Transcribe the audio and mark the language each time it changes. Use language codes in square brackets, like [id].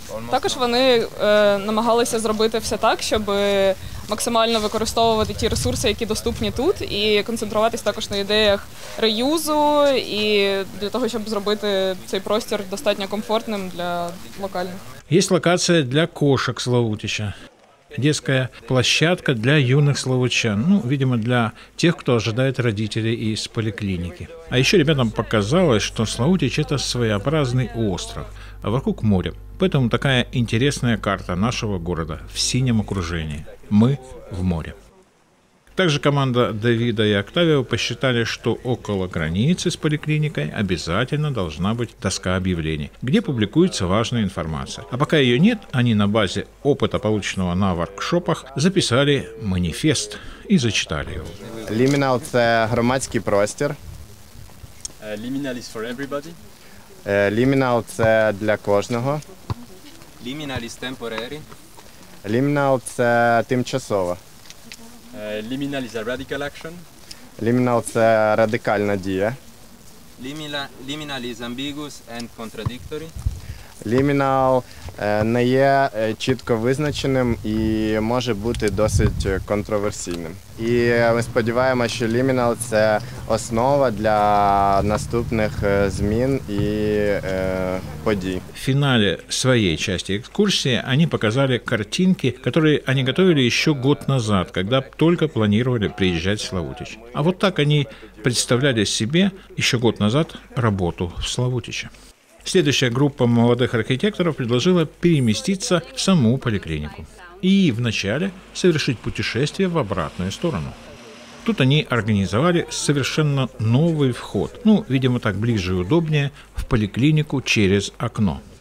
[uk] також вони намагалися зробити все так, щоб максимально використовувати ті ресурси, які доступні тут, і концентруватись також на ідеях реюзу і для того, щоб зробити цей простір достатньо комфортним для локальних. Є локація для кошек Славутича. [ru] Детская площадка для юных славутчан, ну, видимо, для тех, кто ожидает родителей из поликлиники. А еще ребятам показалось, что Славутич – это своеобразный остров, а вокруг море. Поэтому такая интересная карта нашего города в синем окружении. Мы в море. Также команда Давида и Октавио посчитали, что около границы с поликлиникой обязательно должна быть доска объявлений, где публикуется важная информация. А пока ее нет, они на базе опыта, полученного на воркшопах, записали манифест и зачитали его. Liminal – это громадский простор. [en] Liminal is for everybody. [ru] Liminal – это для каждого. [en] Liminal is temporary. [uk] Liminal – это тимчасово. [en] Liminal is a radical action. [uk] Liminal – це радикальна дія. [en] Liminal is ambiguous and contradictory. [uk] Liminal не є чітко визначеним і може бути досить контроверсійним. І ми сподіваємося, що Liminal – це основа для наступних змін і подій. В фіналі своєї частини екскурсії вони показали картинки, які вони готували ще рік тому, коли тільки планували приїжджати в Славутич. А от так вони представляли собі ще рік тому роботу в Славутичі. [ru] Следующая группа молодых архитекторов предложила переместиться в саму поликлинику и вначале совершить путешествие в обратную сторону. Тут они организовали совершенно новый вход, ну, видимо, так ближе и удобнее, в поликлинику через окно.